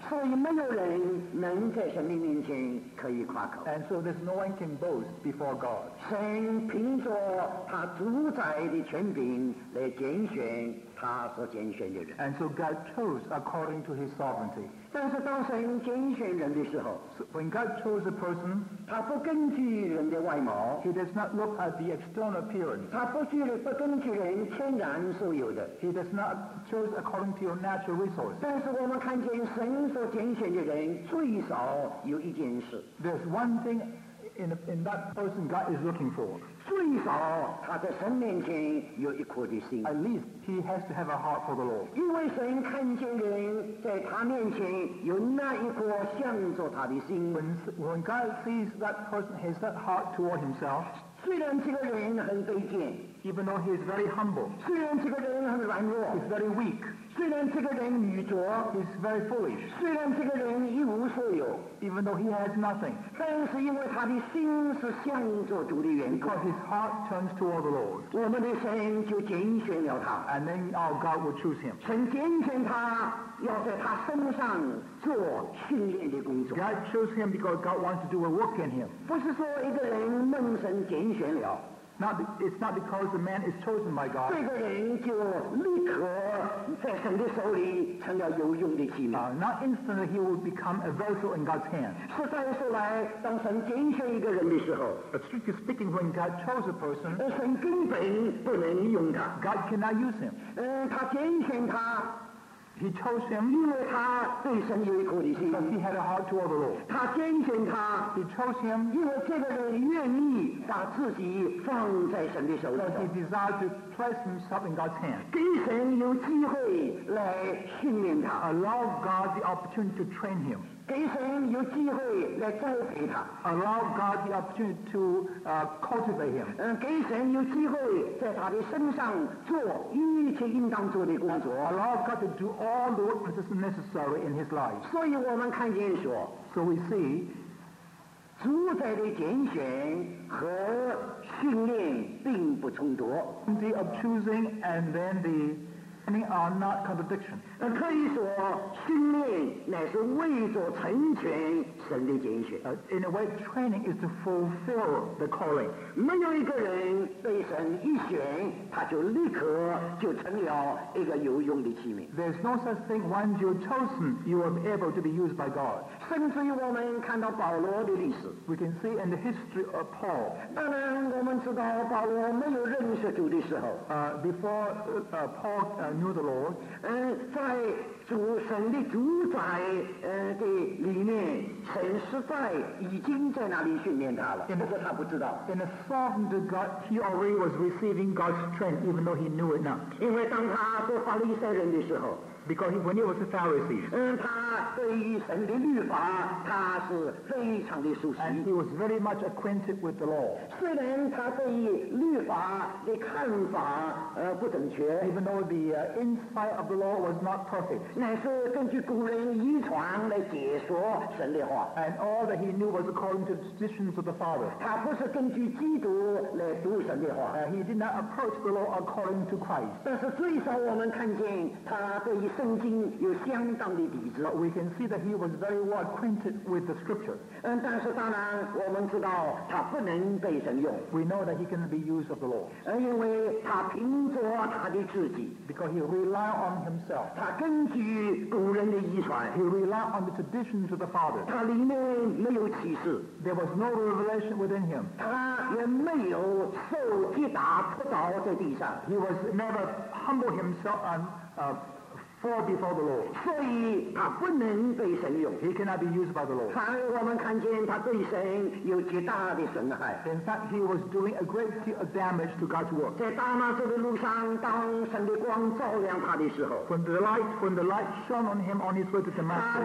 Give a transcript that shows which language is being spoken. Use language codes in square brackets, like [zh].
[zh] 所以没有人能在神的面前可以夸口, [en] and so there's no one can boast before God. [zh] 神凭着他主宰的权柄来拣选他所拣选的人。 [en] And so God chose according to His sovereignty. [zh] 但是当神拣选人的时候 [en] so, ，When God chose a person， [zh] 他不根据人的外貌 [en] ，He does not look at the external appearance。 [zh] 他不根据人天然所有的 [en] ，He does not choose according to your natural resource。 [zh] 但是我们看见神所拣选的人最少有一件事 [en] ，There's one thing。 In that person God is looking for. [zh] 最少他在神面前有一颗的心。 [en] At least he has to have a heart for the Lord. [zh] 因为神看见人在他面前有那一颗向着他的心。 [en] When God sees that person has that heart toward himself, [zh] 虽然这个人很卑贱。 [en] Even though he is very humble. [zh] 虽然这个人很软弱。 [en] He's very weak. [zh] 虽然这个人愚拙 [en] ，He's very foolish。 [zh] 虽然这个人一无所有 [en] ，Even though he has nothing。 [zh] 但是因为他的心是向着主的缘故 [en] ，Because his heart turns toward the Lord。 [zh] 我们的神就拣选了他 [en] ，And then our God will choose him。 [zh] 神拣选他，要在他身上做训练的工作。 [en] God chose him because God wants to do a work in him。 [zh] 不是说一个人蒙神拣选了。 [en] It's not because the man is chosen by God. [zh] 这个人就立刻在神的手里成了有用的器皿。 [en] Not instantly he will become a vessel in God's hand. [zh] 实在说来，当神拣选一个人的时候 [en] ，But strictly speaking, when God chose a person, [zh] 神根本不能用他。 [en] God cannot use him. [zh] 他拣选他。 [en] He chose him [zh] 因为他对神有一颗的心 [en] because he had a heart toward the Lord [zh] 他拣选他 [en] he chose him [zh] 因为这个人愿意把自己放在神的手里 [en] because he desired to place himself in God's hand [zh] 给神有机会来训练他 [en] allow God the opportunity to train him [zh] 给神有机会来栽培他 [en] allow God the opportunity to cultivate him [zh] 给神有机会在他的身上做一切应当做的工作 [en] allow God to doAll the work that is necessary in his life. [zh] 所以我们看见说 [en] So we see, [zh] 主宰的拣选和训练并不冲突 [en] The of choosing and then the training are not contradiction. [zh] 可以说训练乃是为着成全神的拣选 [en] In a way, training is to fulfill the calling. [zh] 没有一个人被神一选他就立刻就成了一个有用的器皿 [en] There's no such thing once you're chosen you are able to be used by God [zh] 甚至于我们看到保罗的历史 [en] We can see in the history of Paul [zh] 当然我们知道保罗没有认识主的时候 [en] Before Paul knew the Lord [zh] 在主神的主宰的里面神实在已经在那里训练他了 不过他不知道 [en] In a sovereign God he already was receiving God's strength even though he knew it not [zh] 因为当他做法利赛人的时候 [en] Because when he was a Pharisee [zh] 他对于神的律法他是非常的熟悉 [en] And he was very much acquainted with the law [zh] 虽然他对于律法的看法不准确 [en] Even though the insight of the law was not perfect [zh] 乃是根据古人遗传来解说神的话 [en] And all that he knew was according to the traditions of the Father [zh] 他不是根据基督来读神的话 [en] He did not approach the law according to Christ [zh] 但是最少我们看见他对于圣经有相当的底子 [en] We can see that he was very well acquainted with the scripture. [zh] 但是当然我们知道他不能被神用。 [en] We know that he cannot be used of the Lord. [zh] 因为他凭着他的自己。 [en] Because he relied on himself. [zh] 他根据古人的遗传。 [en] He relied on the traditions of the Father. [zh] 他里面没有启示。 [en] There was no revelation within him. [zh] 他也没有受击打扑倒在地上。 [en] He was never humbled himself and fall before the Lord [zh] 所以他不能被神用 [en] He cannot be used by the Lord [zh] 反而我们看见他对神有极大的损害 [en] In fact, he was doing a great deal of damage to God's work [zh] 在大马士的路上当神的光照亮他的时候 [en] When the light shone on him on his way to Damascus